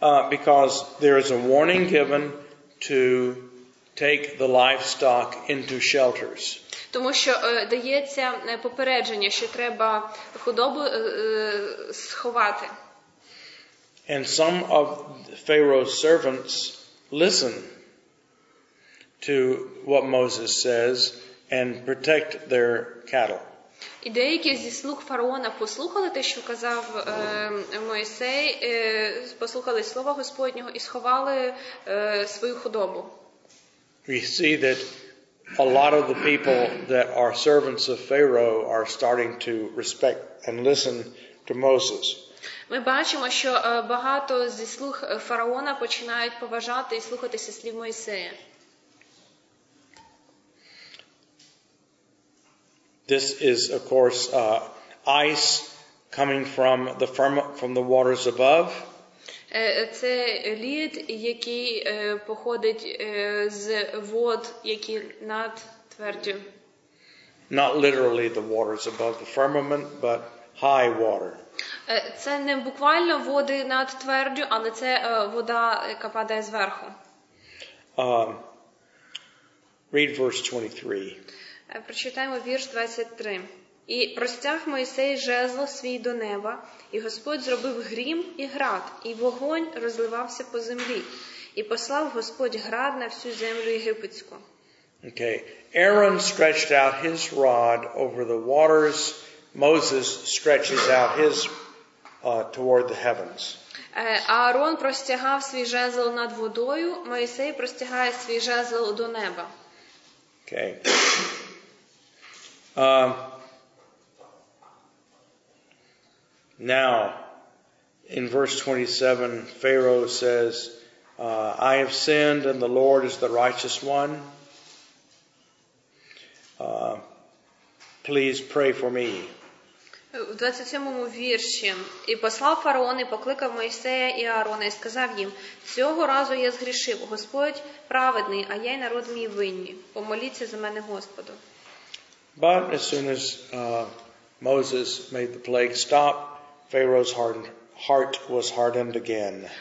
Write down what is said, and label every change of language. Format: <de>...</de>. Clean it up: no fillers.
<en>Because there is a warning given to take the livestock into shelters.</en> <uk>Тому що дається попередження, що треба худобу сховати.</uk> <en>And some of Pharaoh's servants listen to what Moses says and protect their cattle.</en> <uk>І деякі зі слуг фараона послухали те, що казав Мойсей, послухали слова Господнього і сховали свою худобу.</uk> <en>We see that a lot of the people that are servants of Pharaoh are starting to respect and listen to Moses.</en> <uk>Ми бачимо, що багато зі слуг фараона починають поважати і слухатися слів Мойсея.</uk> <en>This is, of course, ice coming from the waters above.</en> <uk>Це лід, який походить з вод, які над твердю.</uk> <en>Not literally the waters above the firmament, but high water.</en> <uk>Це не буквально води над твердю, але це вода, яка падає зверху.</uk> <en>Read verse 23.</en> <uk>Прочитаємо вірш 23. І простяг Мойсей жезло свій до неба, і Господь зробив грім і град, і вогонь розливався по землі, і послав Господь град на всю землю єгипетську.</uk> <en>Okay. Aaron stretched out his rod over the waters. Moses stretches out his toward the heavens.</en> <uk>Аарон простягав свій жезл над водою, Мойсей простягає свій жезл до неба.</uk> <en>Okay. Now, in verse 27, Pharaoh says, I have sinned and the Lord is the righteous one. Please pray for me.</en> <uk>У 27-му вірші. І послав фараон і покликав Мойсея і Аарона і сказав їм, цього разу я згрішив, Господь праведний, а я й народ мій винні. Помоліться за мене Господу.</uk> <en>But as soon as Moses made the plague stop, Pharaoh's heart was hardened again.</en>